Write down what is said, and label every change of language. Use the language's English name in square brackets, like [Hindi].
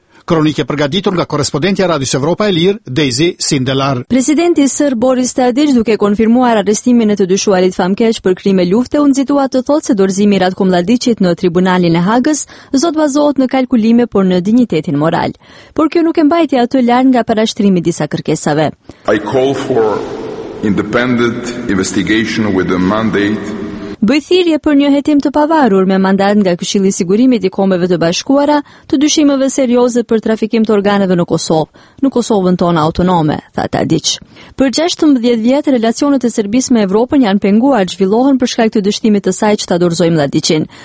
[Albanian] Kronike përgatitur nga korrespondentja Radios Evropa e Lirë, Daisy Sindelar. Presidenti serb Boris Tadić, duke konfirmuar arrestimin e të dyshuarit famkeq për krime lufte, u nxitua të thotë se dorëzimi i Ratko Mladićit në tribunalin e Hagës zot bazohet në kalkulime, por në dinjitetin moral. Por kjo nuk e mbajti atë larg nga parashtrimi disa kërkesave. [English] I call for independent investigation with a mandate. [Albanian] Bëj thirrje për një hetim të pavarur me mandat nga Këshilli i Sigurimit i Kombeve të Bashkuara të dyshimeve serioze për trafikim të organeve në Kosovën tonë autonome, tha Tadić. Për 16 vjet relacionet e Serbisë me Evropën janë penguar, zhvillohen për shkak të dyshimit të saj që ta dorëzoi Mladićin.